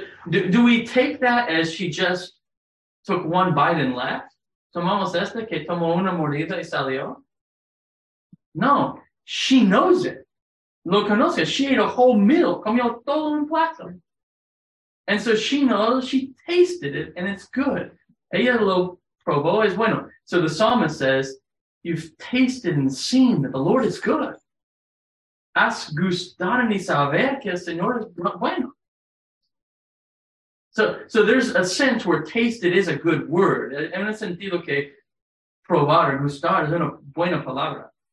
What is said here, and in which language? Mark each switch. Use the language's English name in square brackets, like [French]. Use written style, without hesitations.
[English] Do we take that as she just took one bite and left? [Spanish] ¿Tomamos esta que tomó una mordida y salió? [English] No, she knows it. [Spanish] Lo conoce. [English] She ate a whole meal. [Spanish] Comió todo un plato. [English] And so she knows, she tasted it, and it's good. [Spanish] Ella lo probó, es bueno. [English] So the psalmist says, you've tasted and seen that the Lord is good. [Spanish] has gustado ni saber que el Señor es bueno. [English] So there's a sense where tasted is a good word. [Spanish] En el sentido que probar, gustar, es una buena palabra.